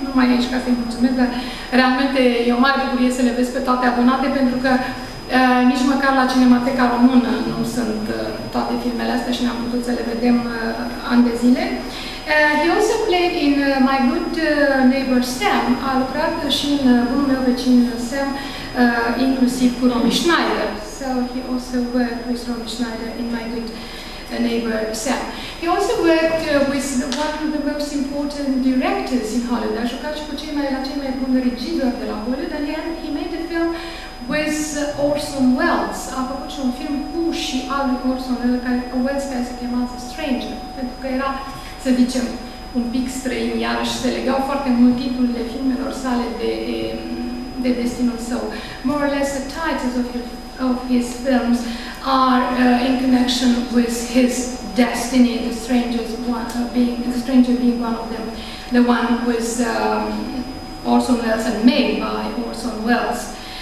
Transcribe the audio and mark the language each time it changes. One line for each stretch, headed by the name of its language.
Romanian: Numai aici ca să-i mulțumesc, dar realmente e o mare bucurie să le vezi pe toate abonate, pentru că nici măcar la Cinemateca Română nu sunt toate filmele astea și n-am putut să le vedem ani de zile.
English: He also played in My Good Neighbor Sam.
Romanian: A lucrat și în bunul meu vecin Sam, inclusiv cu Romy Schneider.
English: So he also worked with Romy Schneider in My Good Neighbor Sam. He also worked with one of the most important directors in Hollywood.
Romanian: A jucat și cu cei mai buni regizori de la Hollywood,
English: and he made a film with Orson Welles.
Romanian: A făcut și un film cu și al lui Orson Welles, care se chema The Stranger, pentru că era, să zicem, un pic străin, iarăși se legau foarte mult titlurile filmelor sale de destinul său.
English: More or less the titles of his films are in connection with his destiny, The Stranger being one of them, the one with Orson Welles and made by Orson Welles.